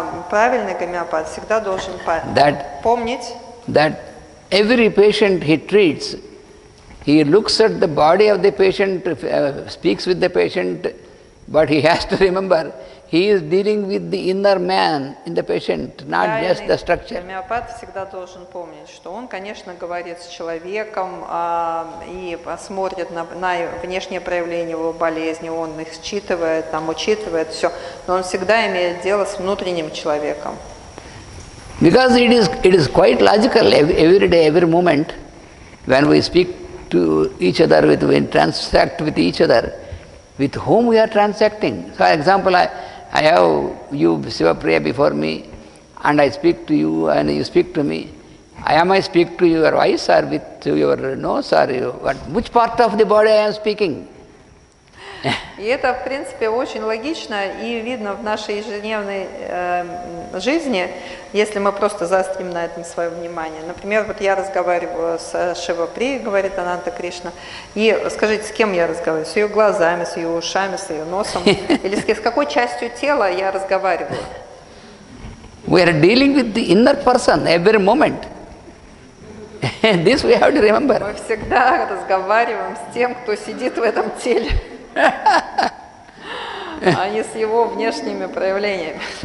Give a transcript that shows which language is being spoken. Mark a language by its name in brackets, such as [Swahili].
[Russian] Правильный гомеопат всегда должен помнить. [English] That every patient he treats, he looks at the body of the patient, speaks with the patient, But he has to remember, he is dealing with the inner man in the patient, not just the structure. [Russian] Гомеопат всегда должен помнить, что он, конечно, говорит с человеком и смотрит на внешнее проявление его болезни, он их считывает, там учитывает все, но он всегда имеет дело с внутренним человеком. [English] Because it is quite logical every day, every moment, when we speak to each other, with when transact with each other, with whom we are transacting. So, for example, I have you, Shiva Priya, before me, and I speak to you, and you speak to me. Am I speak to your voice or with your nose or what? Which part of the body I am speaking? [Russian] И это, в принципе, очень логично и видно в нашей ежедневной жизни, если мы просто заострим на этом свое внимание. Например, вот я разговариваю с Шива При, говорит Ананта Кришна, и скажите, с кем я разговариваю? С ее глазами, с ее ушами, с ее носом? Или с какой частью тела я разговариваю? [English] We are dealing with the inner person every moment. And this we have to remember. [Russian] Мы всегда разговариваем с тем, кто сидит в этом теле. А не с его внешними проявлениями.